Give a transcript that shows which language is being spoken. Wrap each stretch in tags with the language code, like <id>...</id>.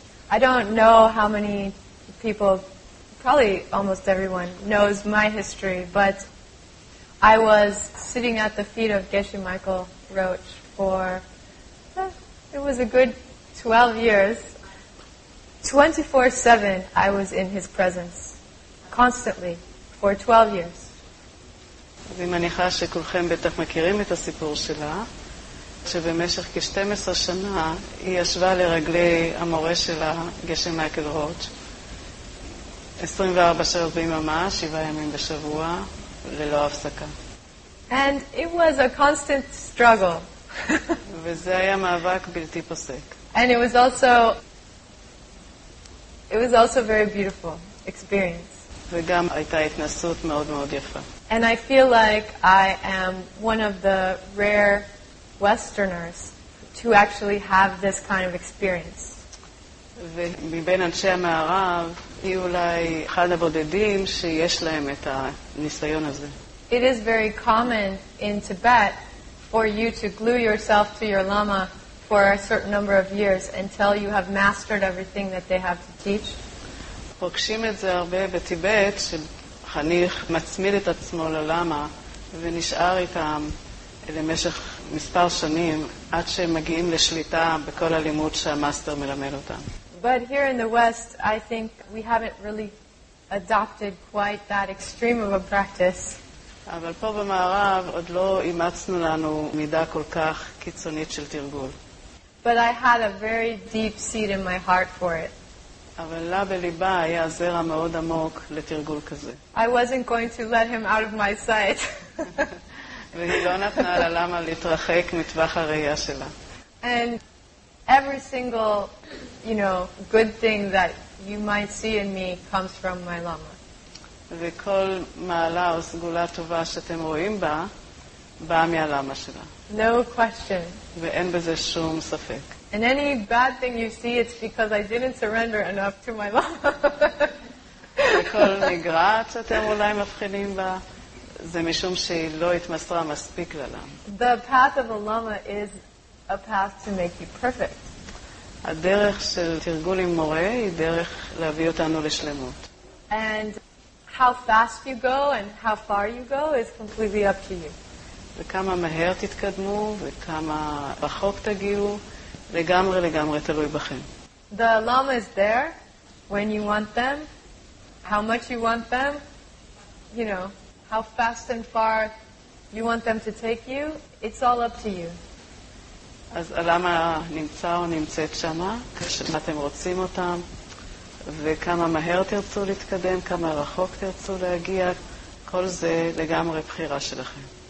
<en>I don't know how many people, probably almost everyone, knows my history, but I was sitting at the feet of Geshe Michael Roach for, it was a good 12 years, 24/7 I was in his presence, constantly, for 12 years.</en> <he>אז אני מניחה שכולכם בטח מכירים את הסיפור שלה, שבמשך כ-12 שנה היא ישבה לרגלי המורה שלה, גשם מייקל רוץ', 24 שעות ביממה, 7 ימים בשבוע, ללא הפסקה.</he> <en>And it was a constant struggle.</en> <he>וזה היה מאבק בלתי פוסק.</he> <en>And it was also a very beautiful experience.</en> <he>וגם הייתה התנסות מאוד מאוד יפה.</he> <en>And I feel like I am one of the rare Westerners to actually have this kind of experience.</en> <he>ומבין אנשי המערב, היא אולי אחד הבודדים שיש להם את הניסיון הזה.</he> <en>It is very common in Tibet for you to glue yourself to your lama for a certain number of years until you have mastered everything that they have to teach.</en> <he>פוגשים את זה הרבה בטיבט, שחניך מצמיד את עצמו ללמה ונשאר איתם למשך מספר שנים עד שהם מגיעים לשליטה בכל הלימוד שהמאסטר מלמד אותם.</he> <en>But here in the West, I think we haven't really adopted quite that extreme of a practice.</en> <he>אבל פה במערב עוד לא אימצנו לנו מידה כל כך קיצונית של תרגול.</he> <en>But I had a very deep seed in my heart for it.</en> <he>אבל לה בליבה היה זרע מאוד עמוק לתרגול כזה.</he> <en>I wasn't going to let him out of my sight.</en> <he>והיא לא נתנה לה למה להתרחק מטווח הראייה שלה.</he> <en>And every single, you know, good thing that you might see in me comes from my lama.</en> <he>וכל מעלה או סגולה טובה שאתם רואים בה, באה מהלמה שלה.</he> <en>No question.</en> <he>ואין בזה שום ספק.</he> <en>And any bad thing you see, it's because I didn't surrender enough to my lama.</en> <he>וכל נגרעת שאתם אולי מבחינים בה, זה משום שהיא לא התמסרה מספיק ללמה.</he> <en>The path of a lama is a path to make you perfect.</en> <he>הדרך של תרגול עם מורה היא דרך להביא אותנו לשלמות.</he> <en>And how fast you go and how far you go is completely up to you.</en> <he>וכמה מהר תתקדמו וכמה רחוק תגיעו, לגמרי לגמרי תלוי בכם.</he> <en>The lama is there when you want them, how much you want them, you know, how fast and far you want them to take you, it's all up to you.</en> <he>אז הלמה נמצא או נמצאת שמה, כשמה אתם רוצים אותם, וכמה מהר תרצו להתקדם, כמה רחוק תרצו להגיע, כל זה לגמרי בחירה שלכם.</he>